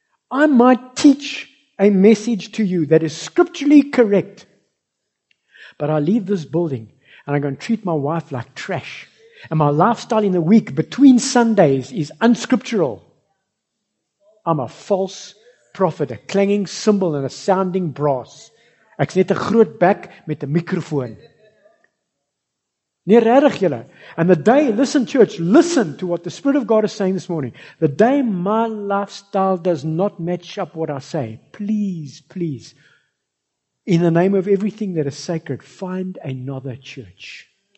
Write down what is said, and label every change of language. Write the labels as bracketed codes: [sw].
[en] I might teach a message to you that is scripturally correct, but I leave this building and I'm going to treat my wife like trash. And my lifestyle in the week between Sundays is unscriptural. I'm a false prophet, a clanging cymbal and a sounding brass. [af] Ek's net 'n groot bek met 'n mikrofoon. Nee, regtig julle. [en] And the day, listen church, listen to what the Spirit of God is saying this morning. The day my lifestyle does not match up what I say, please, please, in the name of everything that is sacred, find another church.